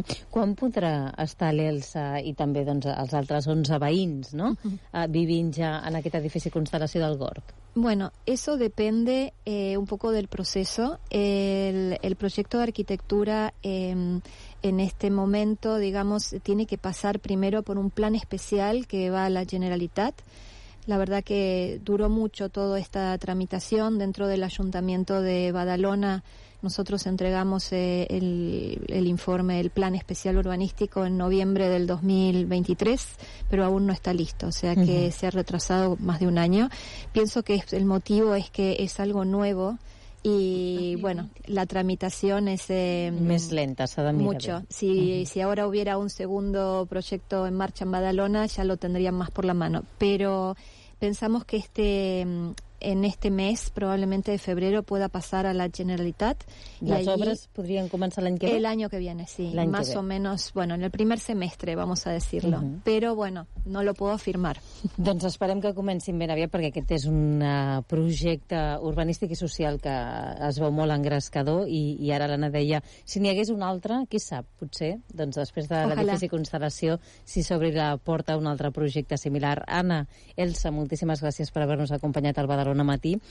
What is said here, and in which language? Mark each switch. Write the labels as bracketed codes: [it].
[ca] Quan podrà estar l'Elsa i també doncs, els altres 11 veïns, no? Vivint ja en aquest edifici Constelació del Gorg? [es] Bueno, eso depende un poco del proceso. El proyecto de arquitectura en este momento, digamos, tiene que pasar primero por un plan especial que va a la Generalitat. La verdad que duró mucho toda esta tramitación dentro del Ayuntamiento de Badalona. Nosotros entregamos el informe, el plan especial urbanístico en noviembre del 2023, pero aún no está listo, o sea que se ha retrasado más de un año. Pienso que el motivo es que es algo nuevo y, bueno, la tramitación es... Más lenta, se da mucho. Si ahora hubiera un segundo proyecto en marcha en Badalona, ya lo tendrían más por la mano. Pero pensamos que este... En este mes, probablemente de febrero, pueda pasar a la Generalitat. ¿Las obras podrían comenzar el año que viene? El año que viene, sí. Más o menos, bueno, en el primer semestre, vamos a decirlo. Pero, bueno, no lo puedo afirmar. [ca] Doncs esperem que comencin ben aviat, perquè aquest és un projecte urbanístic i social que es veu molt engrescador. I ara l'Anna deia, si n'hi hagués un altre, qui sap, potser, doncs després de l'edifici Constelació, si s'obri la porta a un altre projecte similar. Anna, Elsa, moltíssimes gràcies per haver-nos acompanyat al Badalona Matí.